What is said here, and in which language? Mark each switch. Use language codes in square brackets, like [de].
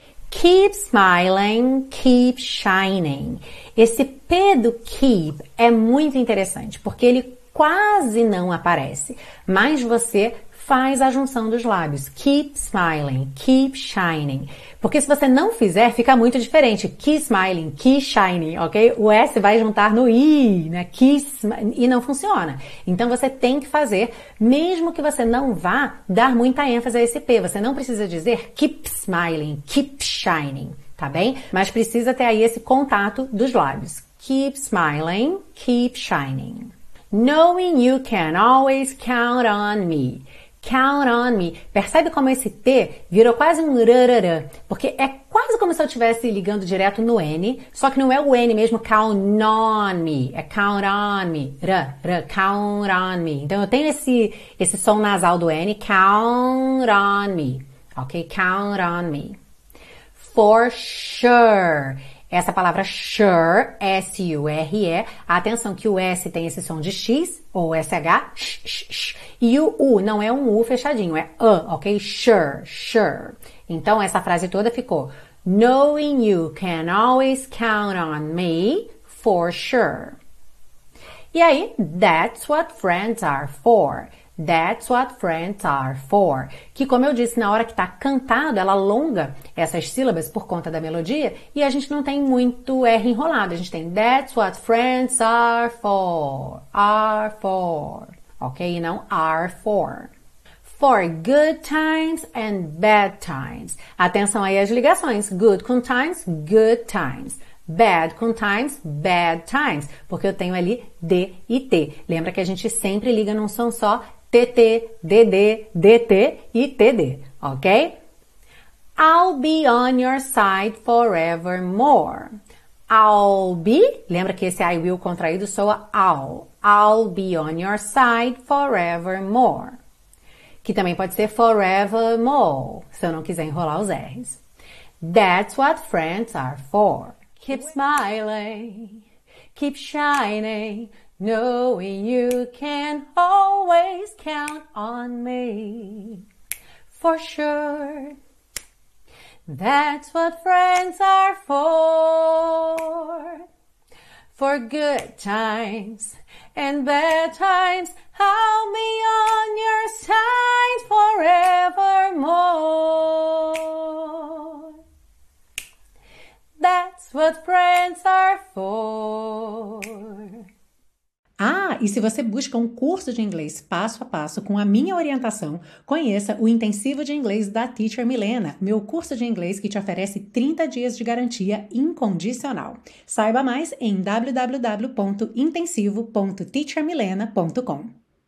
[en] Keep smiling, keep shining. [pt] Esse P do keep é muito interessante, porque ele quase não aparece, mas você faz a junção dos lábios. [en] Keep smiling, keep shining. [pt] Porque se você não fizer, fica muito diferente. [en] Keep smiling, keep shining, ok? [pt] O S vai juntar no I, né? E não funciona. Então você tem que fazer, mesmo que você não vá dar muita ênfase a esse P. Você não precisa dizer [en] keep smiling, keep shining, [pt] tá bem? Mas precisa ter aí esse contato dos lábios. [en] Keep smiling, keep shining. Knowing you can always count on me. Count on me. [pt] Percebe como esse T virou quase um rarara, porque é quase como se eu estivesse ligando direto no N, só que não é o N mesmo, [en] count on me. [pt] É [en] count on me. Count on me. [pt] Então eu tenho esse som nasal do N, [en] count on me. [pt] Ok? [en] Count on me. For sure. [pt] Essa palavra sure, S-U-R-E, atenção que o S tem esse som de X, ou S-H, sh, e o U não é um U fechadinho, é U, ok? [en] Sure, sure. [pt] Então, essa frase toda ficou, [en] knowing you can always count on me for sure. [pt] E aí, [en] that's what friends are for. That's what friends are for. [pt] Que, como eu disse, na hora que está cantado, ela alonga essas sílabas por conta da melodia e a gente não tem muito R enrolado. A gente tem [en] that's what friends are for. Are for. Ok? [pt] E não [en] are for. For good times and bad times. [pt] Atenção aí às ligações. Good com times, [en] good times. [pt] Bad com times, [en] bad times. [pt] Porque eu tenho ali D e T. Lembra que a gente sempre liga num som só. TT, DD, DT e TD, ok? [en] I'll be on your side forevermore. [pt] I'll be, lembra que esse [en] I will [pt] contraído soa I'll. [en] I'll be on your side forevermore. [pt] Que também pode ser forevermore, se eu não quiser enrolar os R's. [en] That's what friends are for. Keep smiling, keep shining. Knowing you can always count on me, for sure, that's what friends are for good times and bad times, I'll be on your side forevermore, that's what friends are for. [pt] Ah, e se você busca um curso de inglês passo a passo com a minha orientação, conheça o Intensivo de Inglês da Teacher Milena, meu curso de inglês que te oferece 30 dias de garantia incondicional. Saiba mais em www.intensivo.teachermilena.com.